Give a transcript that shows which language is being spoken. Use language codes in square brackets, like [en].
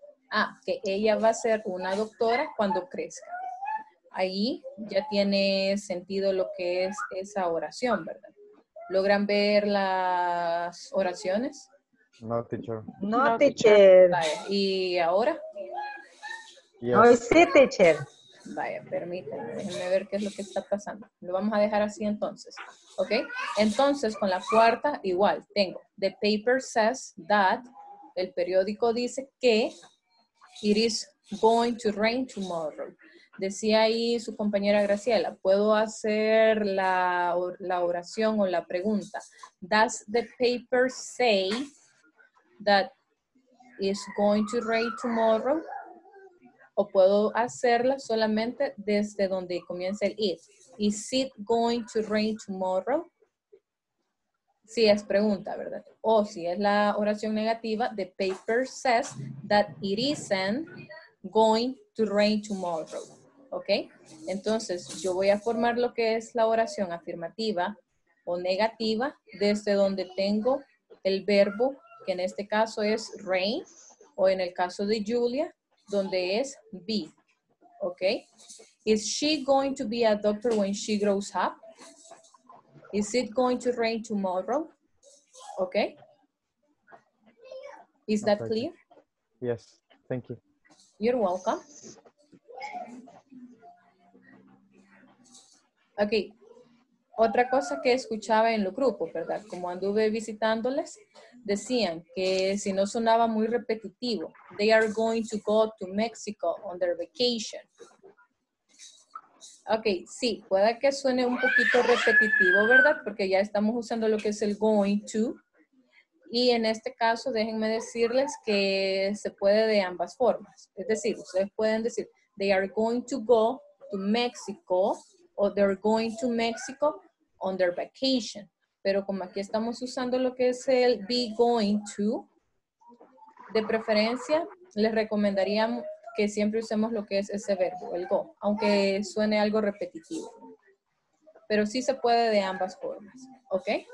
[es] Ah, que ella va a ser una doctora cuando crezca. Ahí ya tiene sentido lo que es esa oración, ¿verdad? ¿Logran ver las oraciones? [en] No, teacher. No, teacher. [es] Vaya, ¿y ahora? [en] Yes. No, sí, teacher. [es] Vaya, permítanme, déjenme ver qué es lo que está pasando. Lo vamos a dejar así entonces, ¿ok? Entonces, con la cuarta, igual, tengo. [en] The paper says that, [es] el periódico dice que, [en] it is going to rain tomorrow. [es] Decía ahí su compañera Graciela, ¿puedo hacer la oración o la pregunta? [en] Does the paper say that it's going to rain tomorrow? [es] ¿O puedo hacerla solamente desde donde comienza el is? [en] Is it going to rain tomorrow? [es] Si es pregunta, ¿verdad? O si es la oración negativa, [en] the paper says that it isn't going to rain tomorrow. [es] ¿Ok? Entonces, yo voy a formar lo que es la oración afirmativa o negativa desde donde tengo el verbo, que en este caso es rain, o en el caso de Julia, donde es be. [en] ¿Ok? Is she going to be a doctor when she grows up? Is it going to rain tomorrow? ¿Ok? Is that clear? Yes. Thank you. You're welcome. [es] Ok, otra cosa que escuchaba en los grupos, ¿verdad? Como anduve visitándoles, decían que si no sonaba muy repetitivo, [en] they are going to go to Mexico on their vacation. [es] Ok, sí, puede que suene un poquito repetitivo, ¿verdad? Porque ya estamos usando lo que es el going to. Y en este caso, déjenme decirles que se puede de ambas formas. Es decir, ustedes pueden decir, [en] they are going to go to Mexico, [es] o [en] they're going to Mexico on their vacation. [es] Pero como aquí estamos usando lo que es el be going to, de preferencia les recomendaría que siempre usemos lo que es ese verbo, el go, aunque suene algo repetitivo. Pero sí se puede de ambas formas, ¿ok?